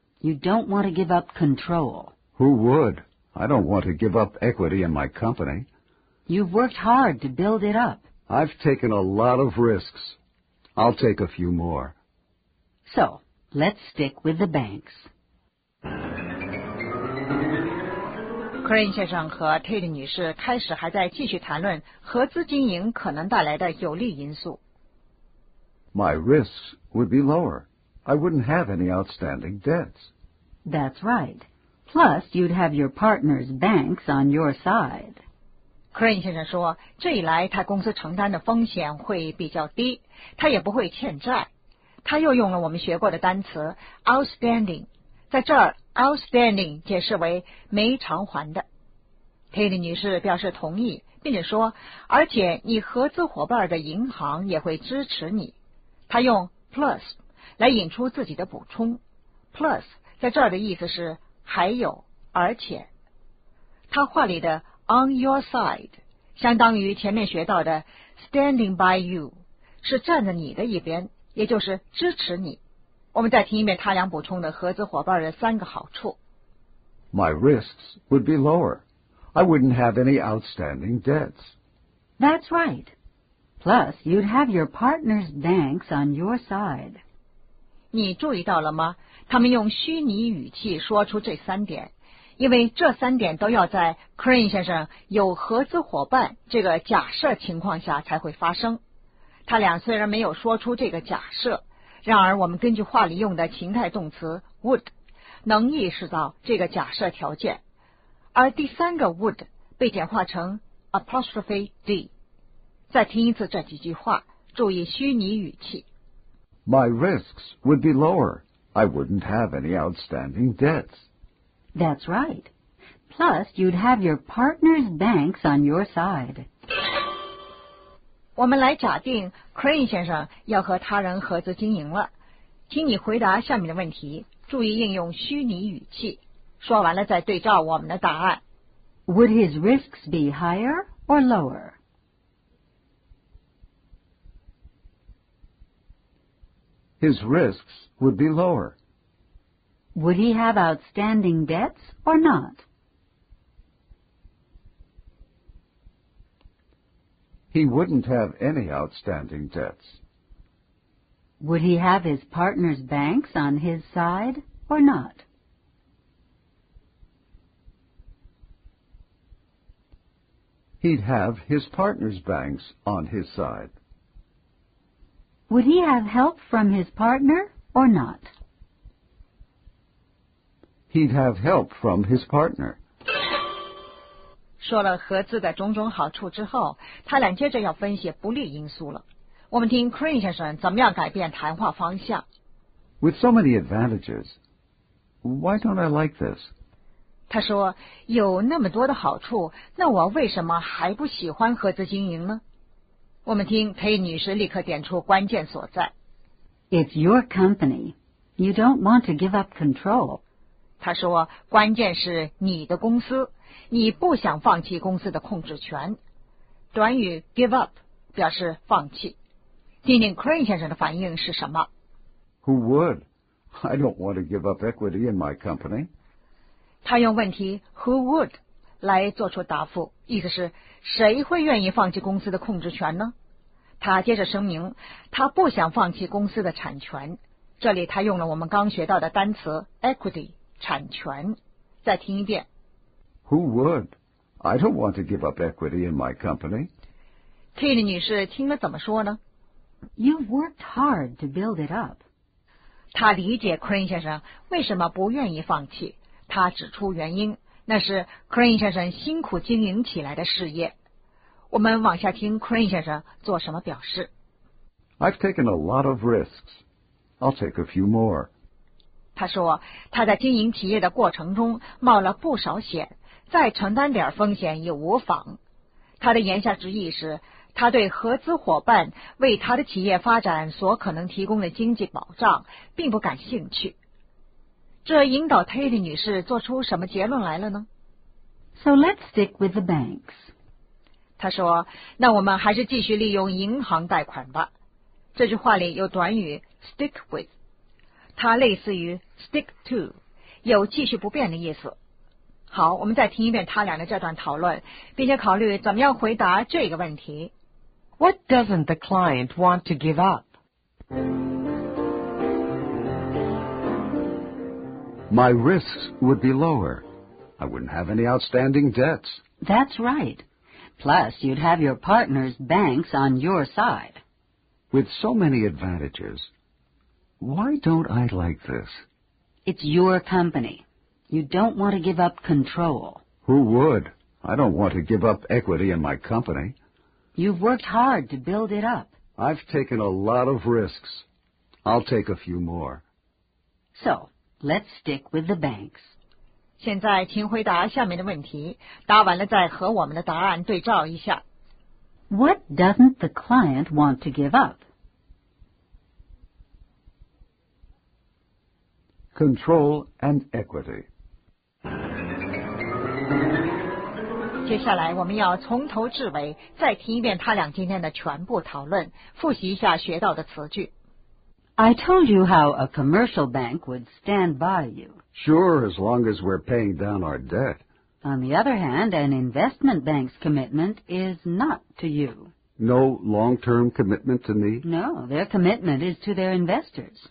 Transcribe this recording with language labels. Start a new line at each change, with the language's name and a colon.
English: You don't want to give up control. Who would? I don't want to give up equity in my company. You've worked hard to build it up. I've taken a lot of risks. I'll take a few more. So, let's stick with the banks.
Chinese: Crane 先生和 Tate 女士开始还在继续谈论合资经营可能带来的有利因素。
English: My risks would be lower. I wouldn't have any outstanding debts. That's right. Plus, you'd have your partner's banks on your side.
Chinese: Crane 先生说，这一来他公司承担的风险会比较低，他也不会欠债。他又用了我们学过的单词 outstanding， 在这儿 outstanding 解释为没偿还的。 Tate 女士表示同意，并且说，而且你合资伙伴的银行也会支持你。他用 plus 来引出自己的补充， plus 在这儿的意思是还有，而且。他话里的
English: on your side
Chinese: 相当于前面学到的
English: standing by you，
Chinese: 是站在你的一边，也就是支持你。我们再听一遍他俩补充的合资伙伴的三个好处。
English: My risks would be lower. I wouldn't have any outstanding debts. That's right. Plus, you'd have your partner's banks on your side.
Chinese: 你注意到了吗？他们用虚拟语气说出这三点，因为这三点都要在 Crane 先生有合资伙伴这个假设情况下才会发生。他俩虽然没有说出这个假设，然而我们根据话里用的情态动词 would 能意识到这个假设条件，而第三个 would 被简化成
English: apostrophe d。
Chinese: 再听一次这几句话，注意虚拟语气。
English: My risks would be lower. I wouldn't have any outstanding debts. That's right. Plus, you'd have your partner's banks on your side.
Chinese: 我们来假定 Crane 先生要和他人合资经营了，请你回答下面的问题，注意应用虚拟语气，说完了再对照我们的答案。
English: Would his risks be higher or lower? His risks would be lower. Would he have outstanding debts or not? He wouldn't have any outstanding debts. Would he have his partner's banks on his side or not? He'd have his partner's banks on his side. Would he have help from his partner or not? He'd have help from his partner.
Chinese: 说了合资的种种好处之后，他俩接着要分析不利因素了。我们听 Crane 先生怎么样改变谈话方向。
English: With so many advantages, why don't I like this?
Chinese: 他说，有那么多的好处，那我为什么还不喜欢合资经营呢？我们听 Tate 女士立刻点出关键所在。
English: It's your company. You don't want to give up control.
Chinese: 他说，关键是你的公司，你不想放弃公司的控制权。短语
English: give up
Chinese: 表示放弃。听听 Crane 先生的反应是什么。
English: Who would? I don't want to give up equity in my company.
Chinese: 他用问题
English: who would
Chinese: 来做出答复，意思是谁会愿意放弃公司的控制权呢？他接着声明，他不想放弃公司的产权。这里他用了我们刚学到的单词 equity。产权，再听一遍。
English: Who would? I don't want to give up equity in my company.
Chinese: Tate 女士听了怎么说呢？
English: You've worked hard to build it up.
Chinese: 她理解 Crane 先生为什么不愿意放弃，她指出原因，那是 Crane 先生辛苦经营起来的事业。我们往下听 Crane 先生做什么表示。
English: I've taken a lot of risks. I'll take a few more.
Chinese: 他说，他在经营企业的过程中冒了不少险，再承担点风险也无妨。他的言下之意是，他对合资伙伴为他的企业发展所可能提供的经济保障并不感兴趣。这引导 Tate 女士做出什么结论来了呢？
English: So let's stick with the banks.
Chinese: 他说，那我们还是继续利用银行贷款吧。这句话里有短语
English: stick with。
Chinese: 它类似于
English: stick to，
Chinese: 有继续不变的意思。好，我们再听一遍他俩的这段讨论，并且考虑怎么样回答这个问题。
English: What doesn't the client want to give up? My risks would be lower. I wouldn't have any outstanding debts. That's right. Plus, you'd have your partner's banks on your side. With so many advantages, why don't I like this? It's your company. You don't want to give up control. Who would? I don't want to give up equity in my company. You've worked hard to build it up. I've taken a lot of risks. I'll take a few more. So, let's stick with the banks.
Chinese: 现在请回答下面的问题，答完了再和我们的答案对照一下。
English: What doesn't the client want to give up? Control and equity.
Chinese: 接下来我们要从头至尾再听一遍他俩今天的全部讨论，复习一下学到的词句。
English: I told you how a commercial bank would stand by you. Sure, as long as we're paying down our debt. On the other hand, an investment bank's commitment is not to you. No long-term commitment to me? No, their commitment is to their investors.